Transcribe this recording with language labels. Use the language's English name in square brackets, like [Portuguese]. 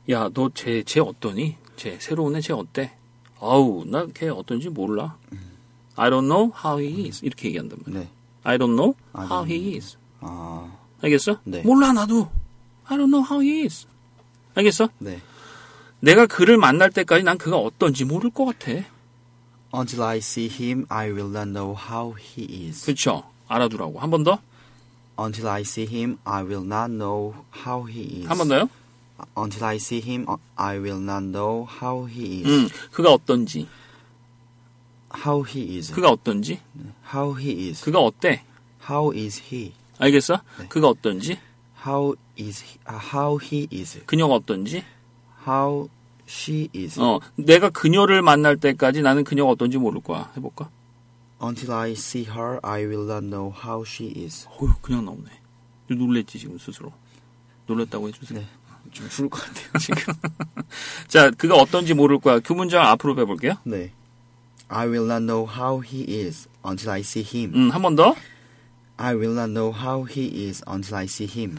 [Korean] 야, 너 쟤 어떠니? 쟤 새로운 애 쟤 어때? 아우, 나 걔 어떤지 몰라. [English] I don't know how he is. [Korean] 이렇게 얘기한단 말이야. 네. [English] I don't know how he is. [Korean] 아. 알겠어? 네. 몰라 나도. [English] I don't know how he is. 알겠어? [Korean] 네. 내가 그를 만날 때까지 난 그가 어떤지 모를 것 같아. [English] Until I see him, I will not know how he is. [Korean] 그렇죠. 알아두라고. 한 번 더. [English] Until I see him, I will not know how he is. [Korean] 한 번 더요. [English] Until I see him, I will not know how he is. [Korean] 그가 어떤지. [English] How he is. [Korean] 그가 어떤지. [English] How he is. [Korean] 그가 어때. [English] How is he. [Korean] 알겠어? 네. 그가 어떤지? [English] How is he, how he is. [Korean] 그녀가 어떤지? [English] How she is. [Korean] 내가 그녀를 만날 때까지 나는 그녀가 어떤지 모를 거야. 해볼까? [English] Until I see her, I will not know how she is. [Korean] 어휴, 그냥 나오네. 놀랬지, 지금 스스로. 놀랬다고 해주세요. 네. 좀 죽을 것 같아요, 지금. 자, 그가 어떤지 모를 거야. 그 문장 앞으로 해볼게요. 네. [English] I will not know how he is until I see him. [Korean] 한 번 더. [English] I will not know how he is until I see him.